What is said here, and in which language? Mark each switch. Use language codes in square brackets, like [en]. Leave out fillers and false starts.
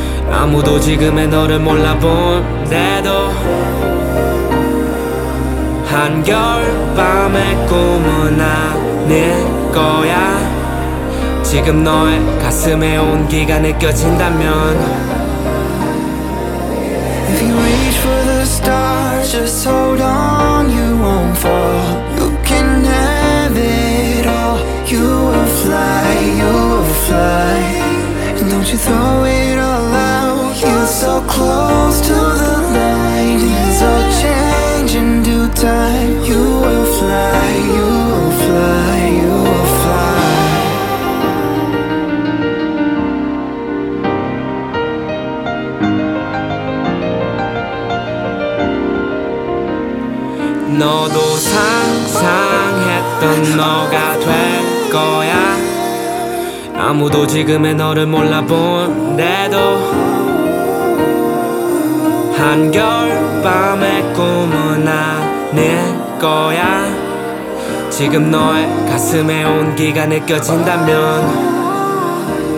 [ko] 아무도 지금의 너를 몰라본대도 한겨울밤의 꿈은 아닐 거야 지금 너의 가슴에 온기가 느껴진다면 [en] If you reach for the stars just hold on you won't fall Don't you throw it all out You're so close to the light Things will change in due time You will fly, you will fly, you will fly [ko] No도 상상했던 너가 될 거야 아무도 지금의 너를 몰라본대도 한겨울밤의 꿈은 아닐 거야 지금 너의 가슴에 온기가 느껴진다면